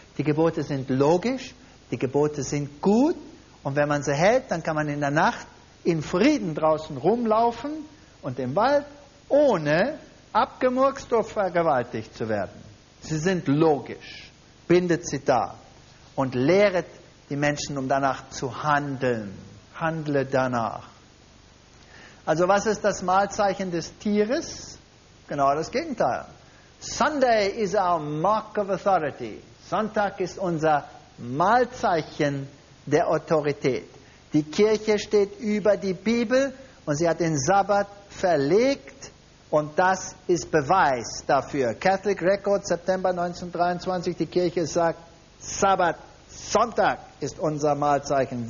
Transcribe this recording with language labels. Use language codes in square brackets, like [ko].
[de] Die Gebote sind logisch, die Gebote sind gut und wenn man sie hält, dann kann man in der Nacht in Frieden draußen rumlaufen und im Wald, ohne abgemurkst oder vergewaltigt zu werden. Sie sind logisch. Bindet sie da und lehret die Menschen, um danach zu handeln. Handle danach. Also was ist das Malzeichen des Tieres? Genau das Gegenteil. [en] Sunday is our mark of authority. [de] Sonntag ist unser Malzeichen der Autorität. Die Kirche steht über die Bibel und sie hat den Sabbat verlegt. Und das ist Beweis dafür. Catholic Record, September 1923, die Kirche sagt, Sabbat, Sonntag ist unser Malzeichen.